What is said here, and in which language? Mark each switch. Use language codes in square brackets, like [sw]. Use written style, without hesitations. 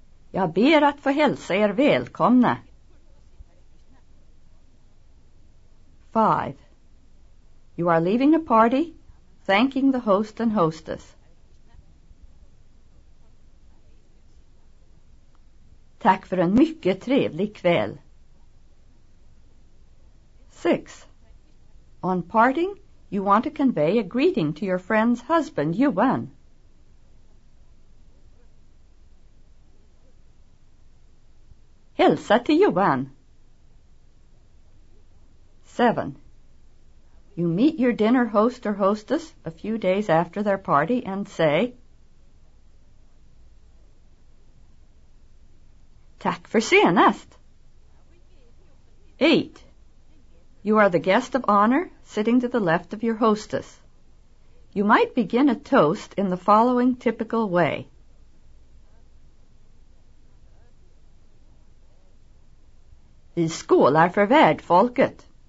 [sv] Jag ber att få hälsa er välkomna. [en] 5. You are leaving a party, thanking the host and hostess. [sv] Tack för en mycket trevlig kväll. [en] 6. On parting, you want to convey a greeting to your friend's husband, Yuan. [sv] Hälsa till Yuan. [en] 7. You meet your dinner host or hostess a few days after their party and say, [sv] tack för senast. [en] 8. You are the guest of honor, sitting to the left of your hostess. You might begin a toast in the following typical way. [sv] Vi skålar för värdfolket.